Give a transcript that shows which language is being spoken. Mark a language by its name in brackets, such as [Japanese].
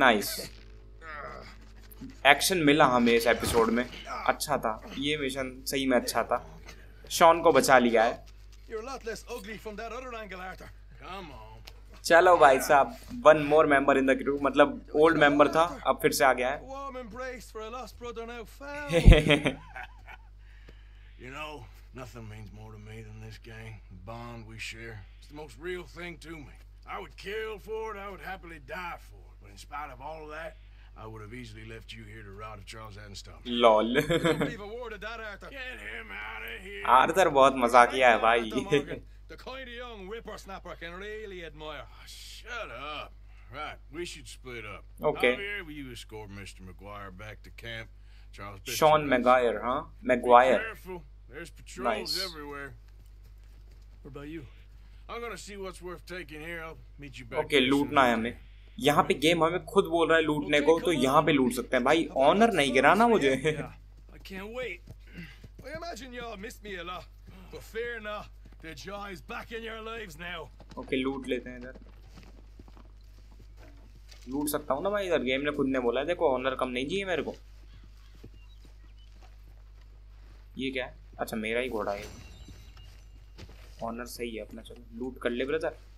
[Hindi] Nice action मिला हमें इस एपिसोड में, अच्छा था ये मिशन, सही में अच्छा था। शॉन को बचा लिया है। चलो भाई साहब [English] one more member in the crew, [Hindi] मतलब ओल्ड मेंबर था अब फिर से आ गया है। [English] You know, nothing means more to me than this gang, the bond we share. It's the most real thing to me. I would kill for it, I would happily die for it. But in spite of all of that, I would have easily left you here to rot at Charles Anstom. Lol. Leave a word of that, Arthur. Get him out of here. [Hindi] Arthur बहुत मजा किया है भाई। [English] The kind of young whippersnapper I can really admire. Shut up. Right, we should split up. Okay. I'm here with you to escort Mr. McGuire back to camp. Sean Maguire, huh? Maguire. There's patrols nice. Everywhere. What about you? I'm gonna see what's worth taking here. I'll meet you back. [Hindi] Okay, लूटना है हमें। यहाँ पे game हमें खुद बोल रहा है लूटने को, तो यहाँ पे लूट सकते हैं भाई। ऑनर नहीं गिरा ना मुझे। [English] I can't wait. I imagine y'all miss me a lot, but fear not, the joy is back in your lives now. [Hindi] Okay, लूट लेते हैं इधर। लूट सकता हूँ ना भाई इधर, गेम ने खुद ने बोला है। देखो ऑनर कम नहीं चाहिए मेरे को। ये क्या है? अच्छा मेरा ही घोड़ा है। ऑनर सही है अपना, चलो लूट कर ले ब्रदर।